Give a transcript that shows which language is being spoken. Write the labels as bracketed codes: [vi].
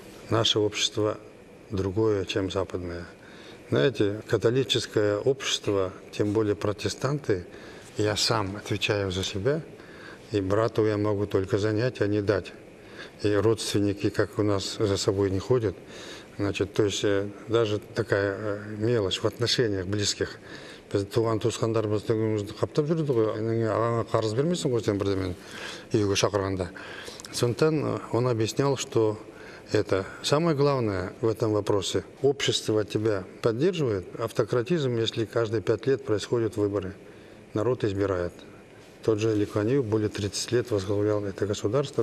[ru] Наше общество другое, чем западное. Знаете, католическое общество, тем более протестанты, я сам отвечаю за себя, и брату я могу только занять, а не дать. И родственники, как у нас, за собой не ходят. Значит, то есть даже такая мелочь в отношениях близких. [kk] Туған туысқандар біздің қаптап жүрді ғой, ағаңа қарыз бермейсің ғой сен бірдемен үйге шақырғанда. Сондықтан [ru] он объяснял, что это самое главное в этом вопросе. Общество тебя поддерживает. Автократизм, если каждые 5 лет происходят выборы. Народ избирает. Тот же Ли Куан Ю более 30 лет возглавлял это государство.